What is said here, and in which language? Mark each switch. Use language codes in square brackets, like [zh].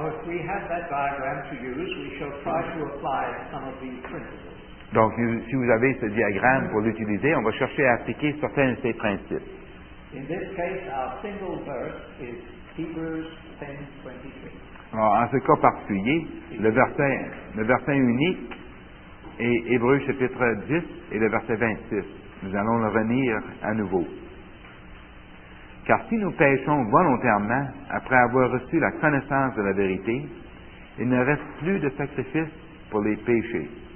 [en] We have that diagram to use. We shall try to apply some of these principles. [fr] Donc, si vous avez ce diagramme pour l'utiliser, on va chercher à appliquer certains de ces principes. [en] In this case, our single verse is Hebrews 10:23. [fr] Alors, en ce cas particulier, le verset unique est Hébreux chapitre 10 et le verset 26. Nous allons le revenir à nouveau. Car si nous péchons volontairement après avoir reçu la connaissance de la vérité, il ne reste plus de sacrifice pour les péchés.